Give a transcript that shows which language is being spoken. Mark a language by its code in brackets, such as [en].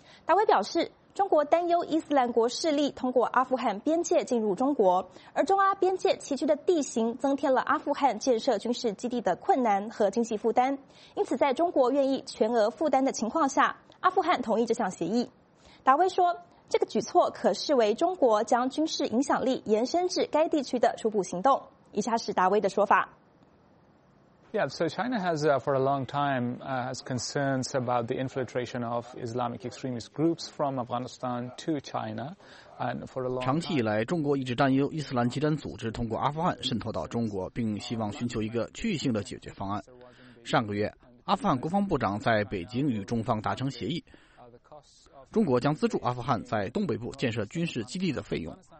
[zh] 达威表示，中国担忧伊斯兰国势力通过阿富汗边界进入中国，而中阿边界崎岖的地形增添了阿富汗建设军事基地的困难和经济负担，因此在中国愿意全额负担的情况下，阿富汗同意这项协议。达威说，这个举措可视为中国将军事影响力延伸至该地区的初步行动。以下是达威的说法。 [en] Yeah, so China has, for a long time, has concerns about the infiltration of Islamic extremist groups from Afghanistan to China. [zh] 长期以来，中国一直担忧伊斯兰极端组织通过阿富汗渗透到中国，并希望寻求一个区域性的解决方案。上个月，阿富汗国防部长在北京与中方达成协议，中国将资助阿富汗在东北部建设军事基地的费用。